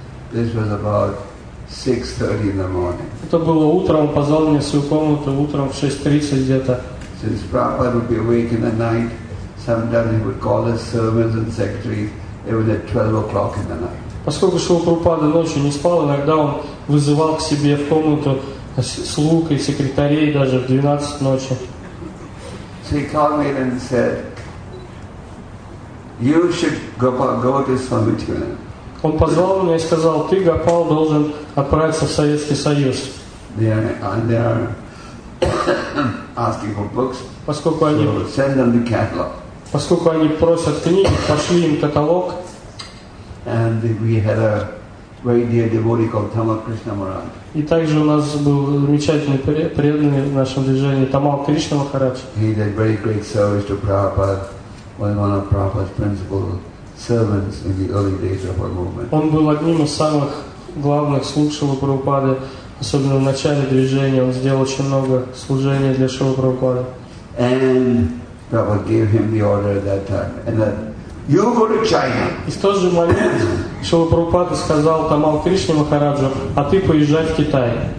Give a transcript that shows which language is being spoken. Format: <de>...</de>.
<en>This was about 6:30 in the morning.</en> <ru>Это было утром, он позвал меня в свою комнату утром в 6:30 где-то.</ru> <en>Since Prabhupada would be awake in the night, sometimes he would call his servants and secretary. It was at 12:00 in the night.</en> <ru>Поскольку Шрила Прабхупада ночью не спал, иногда он вызывал к себе в комнату слуг и секретарей даже в 12 ночи.</ru> <en>So he called me and said, "You should go to Soviet Union."</en> <ru>Он позвал меня и сказал, "Ты, Гопал, должен отправиться в Советский Союз."</ru> <en>They are asking for books.</en> <ru>Поскольку они</ru> <en>so send them the catalog.</en> <ru>Поскольку они просят книги, пошли им каталог.</ru> <en>And we had a very dear devotee called Tamal Krishna Maharaj.</en> <ru>И также у нас был замечательный преданный в нашем движении Тамал Кришна Махарадж.</ru> <en>He did very great service to Prabhupada, was one of Prabhupada's principal servants in the early days of our movement.</en> <ru>Он был одним из самых главных слуг Шрилы Прабхупады, особенно в начале движения. Он сделал очень много служения для Шрилы Прабхупады.</ru> <en>And Prabhupada gave him the order at that time. And that, you go to China.</en> <ru>И в тот же момент Шрила Прабхупада сказал Тамал Кришне Махараджу, а ты поезжай в Китай.</ru>